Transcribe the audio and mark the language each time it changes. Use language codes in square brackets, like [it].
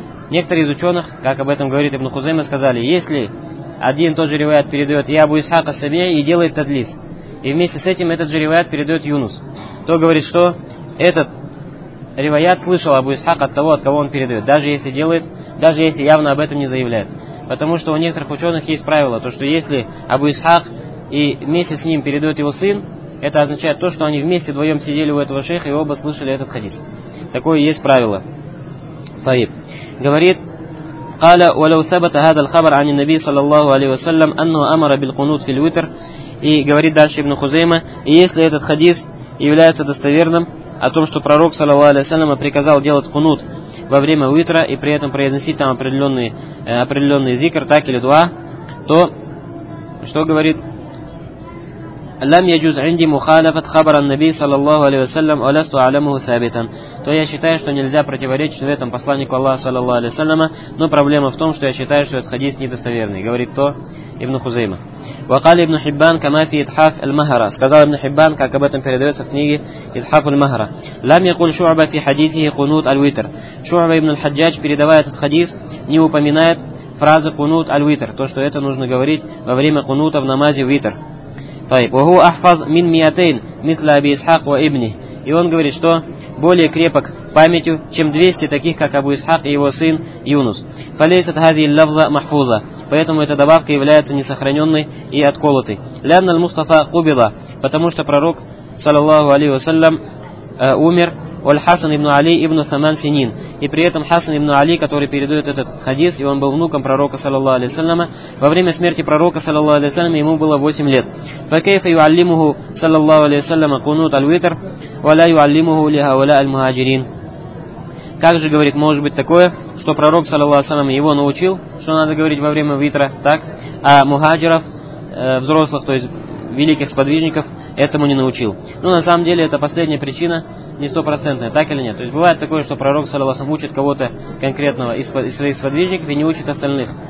[ru] Некоторые из ученых, как об этом говорит ибн Хузейма, сказали, если один и тот же риваят передает и Абу Исхак ас-Сабии и делает тадлис, и вместе с этим этот же риваят передает Юнус, то говорит, что этот риваят слышал Абу Исхак от того, от кого он передает, даже если явно об этом не заявляет. Потому что у некоторых ученых есть правило, то что если Абу Исхак и вместе с ним передает его сын, это означает то, что они вместе вдвоем сидели у этого шейха и оба слышали этот хадис. Такое есть правило. Таиб. [ar] Говорит, قَالَ وَلَوْ ثَبَتَ هَذَا الْخَبَرَ عَنِ النَّبِي صَلَى اللَّهُ عَلَيْهِ وَسَلَّمْ أَنُّهُ أَمَرَ بِالْقُنُوتِ فِي الْوِتْرِ. [ru] И говорит дальше ибн Хузейма, и если этот хадис является достоверным о том, что пророк, саллаллаху алейхи ва саллям, приказал делать кунут во время уитра и при этом произносить там определенный зикр, так или дуа, то что говорит? [ar] لم يجوز عندي مخالفة خبر النبي صلى الله عليه وسلم ولست أعلمه ثابتا. [ru] То я считаю, что нельзя противоречить в этом посланнику Аллаха саллаллаху алейхи ва саллям, но проблема в том, что я считаю, что этот хадис недостоверный, говорит то ибн Хузейма. [ar] وقال ابن حبان كما في إتحاف المهرة. [ru] Сказал ибн Хиббан, как об этом передается в книге إتحاف المهرة. [ar] لم يقول شعبة في حديثه قنوت الوتر. [ru] شعبة ابن الحجاج, передавая этот хадис, не упоминает фразы قنوت الوتر, то что это нужно говорить во время кунута в намазе витр. [ar] طيب وهو احفظ من 200 مثل ابي اسحاق وابنه. [ru] И он говорит, что более крепок памятью, чем 200 таких, как Абу Исхак и его сын Юнус. [ar] فليست هذه اللفظه محفوظه. [ru] Поэтому эта добавка является несохраненной и отколотой. [ar] لان المصطفى قبض, [ru] потому что пророк саллаллаху алейхи ва саллям умер, [ar] والحسن ابن علي ابن ثمان سنين. [ru] И при этом Хасан ибн Али, который передает этот хадис, и он был внуком пророка саллаллаху алейхи ва саллям, во время смерти пророка саллаллаху алейхи ва саллям ему было 8 лет. [ar] فكيف يعلمه صلى الله عليه وسلم قنوت الوتر ولا يعلمه لهؤلاء المهاجرين. [ru] Как же, говорит, может быть такое, что пророк саллаллаху алейхи ва саллям его научил, что надо говорить во время витра, так, а мухаджиров, взрослых, то есть великих сподвижников, этому не научил. Ну, на самом деле, это последняя причина, не стопроцентная, так или нет. То есть, бывает такое, что пророк, саллаллаху алейхи ва саллям, учит кого-то конкретного из своих сподвижников и не учит остальных.